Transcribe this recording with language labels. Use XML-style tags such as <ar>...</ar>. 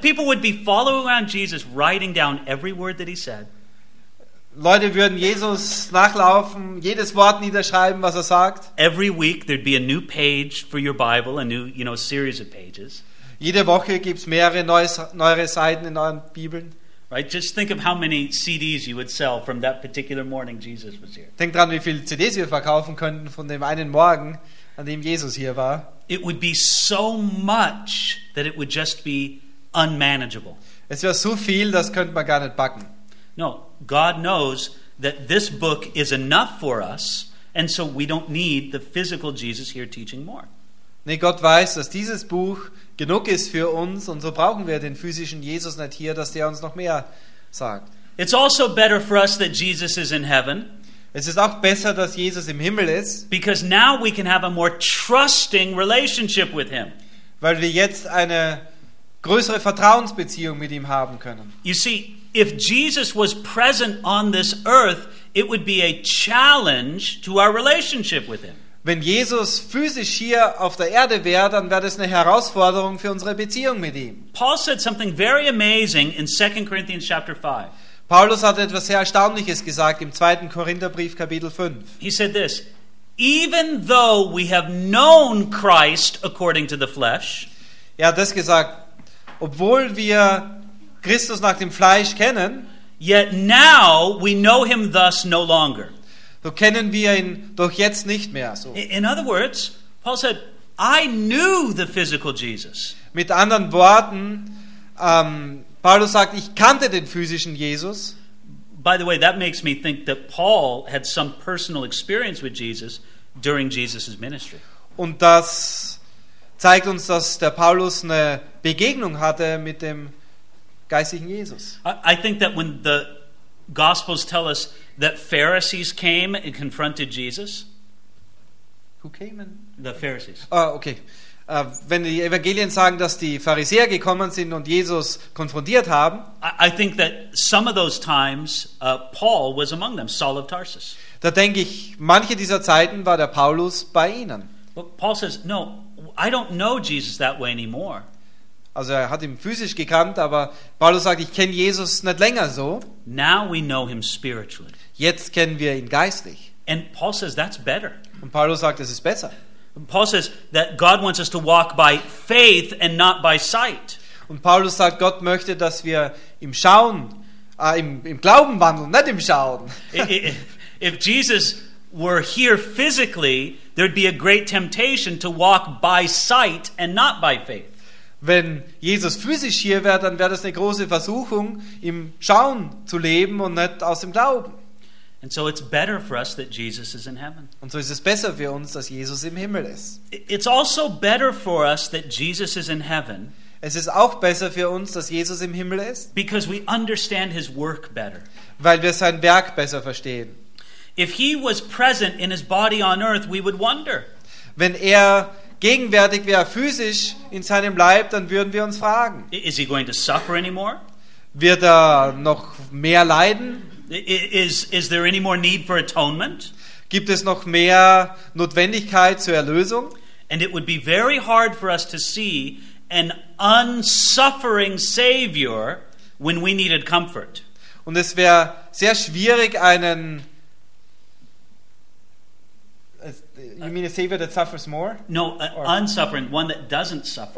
<en>People would be following around Jesus, writing down every word that he said.</en> <de>Leute würden Jesus nachlaufen, jedes Wort niederschreiben, was er sagt.</de> <en>Every week there'd be a new page for your Bible, a new, you know, series of pages.</en> <de>Jede Woche gibt's mehrere neuere Seiten in euren Bibeln.</de> <en>Right, just think of how many CDs you would sell from that particular morning Jesus was here.</en> <de>Denk dran, wie viele CDs wir verkaufen könnten von dem einen Morgen, an dem Jesus hier war.</de> <en>It would be so much that it would just be unmanageable.</en> <de>Es wäre so viel, das könnte man gar nicht backen.</de> <en>No, God knows that this book is enough for us, and so we don't need the physical Jesus here teaching more.</en> <de>Nee, Gott weiß, dass dieses Buch genug ist für uns und so brauchen wir den physischen Jesus nicht hier, dass der uns noch mehr sagt.</de> <en>It's also better for us that Jesus is in heaven.</en> <de>Es ist auch besser, dass Jesus im Himmel ist.</de> <en>Because now we can have a more trusting relationship with him.</en> <de>Weil wir jetzt eine größere Vertrauensbeziehung mit ihm haben können.</de> <en>You see, if Jesus was present on this earth, it would be a challenge to our relationship with him.</en> <de>Wenn Jesus physisch hier auf der Erde wäre, dann wäre das eine Herausforderung für unsere Beziehung mit ihm.</de> <en>Paul said something very amazing in 2 Corinthians chapter 5.</en> <de>Paulus hat etwas sehr Erstaunliches gesagt im 2. Korintherbrief Kapitel 5.</de> <en>He said this: Even though we have known Christ according to the flesh.</en> <de>Er hat das gesagt, obwohl wir Christus nach dem Fleisch kennen,</de> <en>yet now we know him thus no longer.</en> <de>So kennen wir ihn doch jetzt nicht mehr so.</de> <en>In other words, Paul said, I knew the physical Jesus.</en> <de>Mit anderen Worten, Paulus sagt, ich kannte den physischen Jesus.</de> <en>By the way, that makes me think that Paul had some personal experience with Jesus during Jesus' ministry.</en> <de>Und das zeigt uns, dass der Paulus eine Begegnung hatte mit dem geistigen Jesus.</de> <en>I think that when the Gospels tell us that Pharisees came and confronted Jesus. Who came and... The Pharisees. Oh, okay.</en> <de>Wenn die Evangelien sagen, dass die Pharisäer gekommen sind und Jesus konfrontiert haben,</de> <en>I think that some of those times Paul was among them, Saul of Tarsus.</en> <de>Da denke ich, manche dieser Zeiten war der Paulus bei ihnen.</de> <en>But Paul says, no, I don't know Jesus that way anymore.</en> <de>Also er hat ihn physisch gekannt, aber Paulus sagt, ich kenne Jesus nicht länger so.</de> <en>Now we know him spiritually.</en> <de>Jetzt kennen wir ihn geistlich.</de> <en>And Paul says that's better.</en> <de>Und Paulus sagt, es ist besser.</de> <en>Paul says that God wants us to walk by faith and not by sight.</en> <de>Und Paulus sagt, Gott möchte, dass wir im Schauen, im Glauben wandeln, nicht im Schauen.</de> <en>If Jesus were here physically, there'd be a great temptation to walk by sight and not by faith.</en> <de>Wenn Jesus physisch hier wäre, dann wäre das eine große Versuchung, im Schauen zu leben und nicht aus dem Glauben.</de> <en>And so it's better for us that Jesus is in heaven.</en> <de>Und so ist es besser für uns, dass Jesus im Himmel ist.</de> <en>It's also better for us that Jesus is in heaven.</en> <de>Es ist auch besser für uns, dass Jesus im Himmel ist.</de> <en>Because we understand his work better.</en> <de>Weil wir sein Werk besser verstehen.</de> <en>If he was present in his body on earth, we would wonder.</en> <de>Wenn er gegenwärtig wäre, physisch in seinem Leib, dann würden wir uns fragen.</de> <en>Is he going to suffer anymore?</en> <de>Wird er noch mehr leiden?</de> <en>Is there any more need for atonement?</en> <de>Gibt es noch mehr Notwendigkeit zur Erlösung?</de> <en>And it would be very hard for us to see an unsuffering Savior when we needed comfort.</en> <de>Und es wäre sehr schwierig, einen</de> <en>You mean a Savior that suffers more? No, unsuffering, one that doesn't suffer.</en>